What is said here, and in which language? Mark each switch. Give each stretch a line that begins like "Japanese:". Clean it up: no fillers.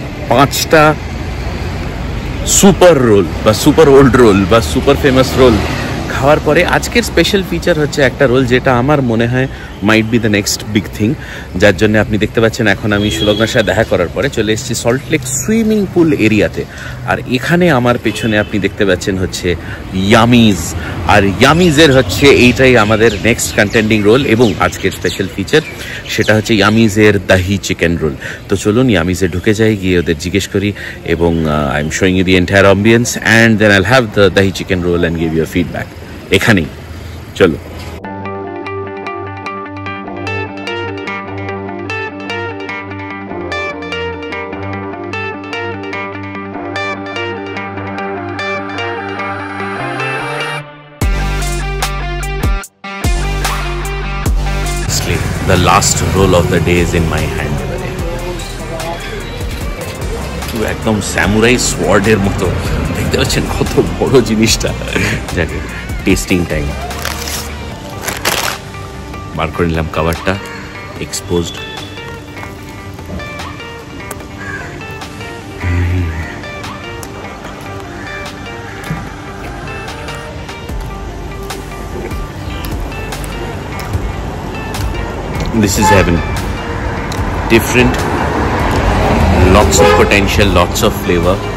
Bangla: পাঁচটা super role বা super old role বা সুপার ফেমাস রোল খাওয়ার পরে আজকের স্পেশাল ফিচার হচ্ছে একটা রোল যেটা আমার মনে হয়
English: might be the next big thing,
Bangla: যার জন্য আপনি দেখতে পাচ্ছেন এখন আমি সুলগ্নার সাথে দেখা করার পরে চলে এসেছি সল্ট লেক সুইমিং পুল এরিয়াতে। আর এখানে আমার পেছনে আপনি দেখতে পাচ্ছেন হচ্ছে ইয়ামিজ, আর ইয়ামিজের হচ্ছে এইটাই আমাদের নেক্সট কন্টেন্ডিং রোল এবং আজকের স্পেশাল ফিচার, সেটা হচ্ছে ইয়ামিজের দাহি চিকেন রোল। তো চলুন ইয়ামিজে ঢুকে যাই, গিয়ে ওদের জিজ্ঞেস করি এবং
English: I am showing you the entire ambience and then I'll have the dahi chicken roll and give your feedback.
Bangla: এখানেই চলো।
English: The last roll of the day is in my hand.
Bangla: তো একদম স্যামুরাই সোয়ার্ড এর মতো দেখতে পাচ্ছেন কত বড় জিনিসটা।
English: দেখ testing time,
Bangla: বার করে নিলাম কভারটা,
English: exposed, this is heaven, different, lots of potential, lots of flavor,